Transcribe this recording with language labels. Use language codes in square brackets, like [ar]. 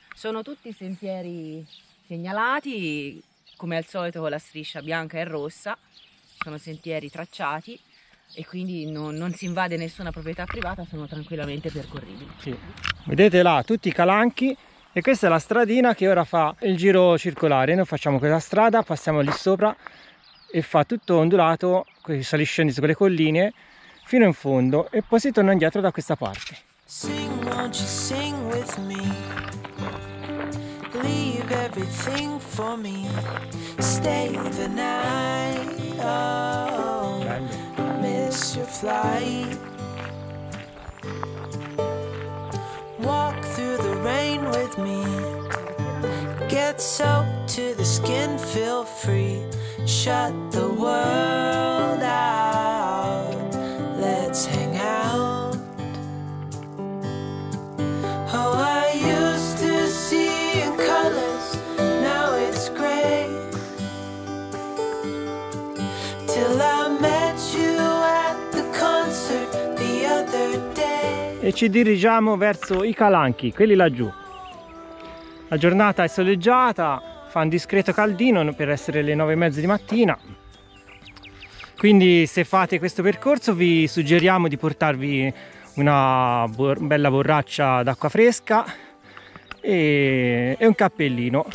[it] Sono tutti sentieri segnalati, come al solito con la striscia bianca e rossa, sono sentieri tracciati e quindi non si invade nessuna proprietà privata, sono tranquillamente percorribili. Sì. Vedete là tutti i calanchi e questa è la stradina che ora fa il giro circolare. Noi facciamo quella strada, passiamo lì sopra e fa tutto ondulato, sali e scendi su quelle colline fino in fondo e poi si torna indietro da questa parte. [en] Sing, won't you sing with me? Leave everything for me, stay the night, oh, miss your flight. Walk through the rain with me, get soaked to the skin, feel free, shut the world out, let's hang out. Oh, I used to see in colors, now it's gray. Till I met you at the concert the other day. [it] E ci dirigiamo verso i calanchi, quelli laggiù. La giornata è soleggiata, fa un discreto caldino per essere le 9:30 di mattina. Quindi se fate questo percorso vi suggeriamo di portarvi una bella borraccia d'acqua fresca e un cappellino.